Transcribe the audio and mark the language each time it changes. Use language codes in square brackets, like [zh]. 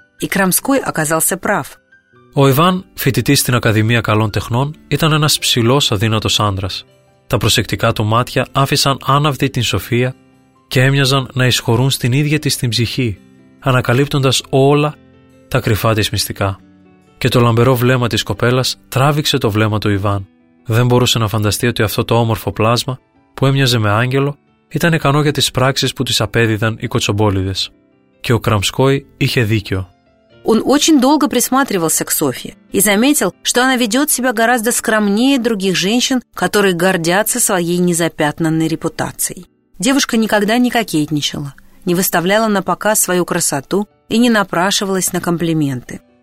[ru] И Крамской оказался прав. [el] Ο Ιβάν, φοιτητής στην Ακαδημία Καλών Τεχνών, ήταν ένας ψηλός αδύνατος άντρας. Τα προσεκτικά του μάτια άφησαν άναυδη την Σοφία και έμοιαζαν να εισχωρούν στην ίδια της την ψυχή, ανακαλύπτοντας όλα τα κρυφά της μυστικά. Και το λαμπερό βλέμμα της κοπέλας τράβηξε το βλέμμα του Ιβάν. Δεν μπορούσε να φανταστεί ότι αυτό το όμορφο πλάσμα, που έμοιαζε με άγγελο, ήταν ικανό για τις πράξεις που της απέδιδαν οι κοτσομπόλιδες. Και ο Κραμσκόη είχε δίκιο. [ru] Он очень долго присматривался к Софье и заметил, что она ведет себя гораздо скромнее других женщин, которые гордятся своей незапятнанной репутацией. Девушка никогда не кокетничала, не выставляла на показ свою красоту и не напрашивалась на комплименты.